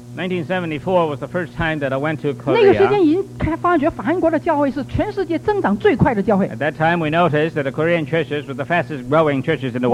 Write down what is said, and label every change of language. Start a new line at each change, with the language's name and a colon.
English: 1974 was the first time that I went to Korea.
Chinese: 那个时间已经发觉韩国的教会是全世界增长最快的教会。
English: At that time, we noticed that the Korean churches were the fastest growing churches in the world.